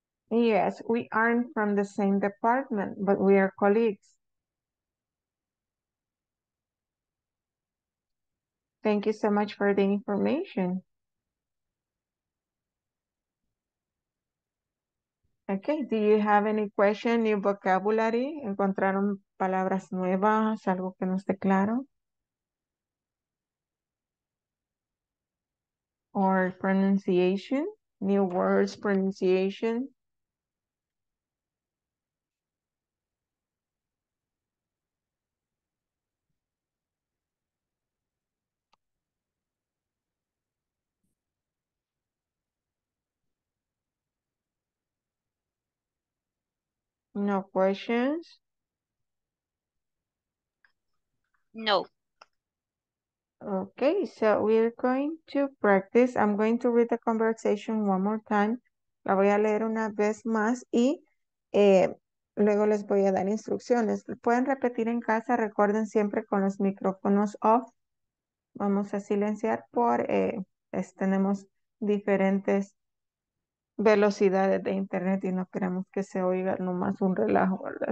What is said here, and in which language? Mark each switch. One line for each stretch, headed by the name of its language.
English: Yes, we aren't from the same department, but we are colleagues. Thank you so much for the information. Okay, do you have any question, new vocabulary?
Spanish: ¿Encontraron palabras nuevas, algo que no esté claro?
English: Or pronunciation, new words, pronunciation? No questions. No. Okay, so we're going to practice. I'm going to read the conversation one more time.
Spanish: La voy a leer una vez más y luego les voy a dar instrucciones. Pueden repetir en casa. Recuerden siempre con los micrófonos off. Vamos a silenciar por, tenemos diferentes velocidades de internet y no queremos que se oiga nomás un relajo, ¿verdad?